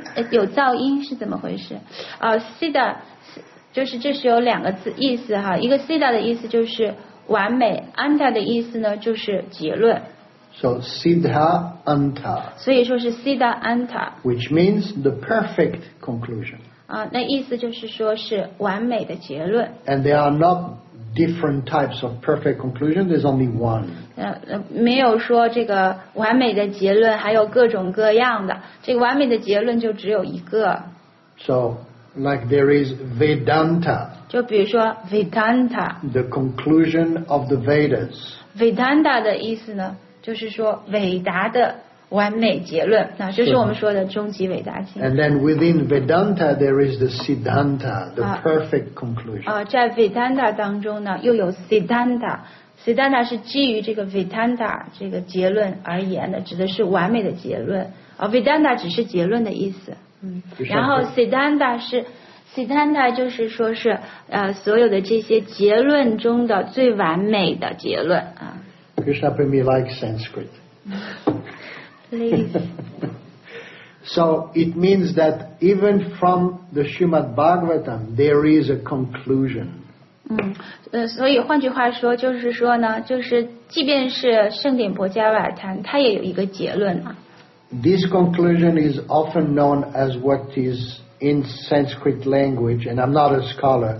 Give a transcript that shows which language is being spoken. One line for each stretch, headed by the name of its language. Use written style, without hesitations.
Chinese: 有噪音是怎么回事？Siddha 就是这是有两个字意思哈，一个 Siddha 的意思就是完美， Anta 的意思呢就是结论。
English: So Siddha Anta.
Chinese: 所以说是 Siddha Anta.
English: Which means the perfect conclusion.
Chinese: 啊，那意思就是说是完美的结论。
English: And there are not different types of perfect conclusion. There's only one.
Chinese: 没有说这个完美的结论还有各种各样的，这个完美的结论就只有一个。
English: So, like there is Vedanta.
Chinese: 就比如说 Vedanta.
English: The conclusion of the Vedas.
Chinese: Vedanta 的意思呢？就是说伟达的完美结论，那就是我们说的终极伟达经。
English: And then within Vedanta there is the Siddhanta, the perfect conclusion.
Chinese: 在 Vedanta 当中呢，又有 Siddhanta， Siddhanta 是基于这个 Vedanta 这个结论而言的，指的是完美的结论。 Vedanta 只是结论的意思。然后 Siddhanta 是 Siddhanta 就是说是所有的这些结论中的最完美的结论啊。
English: Krishna Premier likes Sanskrit. Please. So it means that even from the Srimad Bhagavatam, there is a conclusion.
Chinese: 所以换句话说就是说呢，就是即便是圣典婆伽瓦坛，它也有一个结论啊。
English: This conclusion is often known as what is in Sanskrit language, and I'm not a scholar.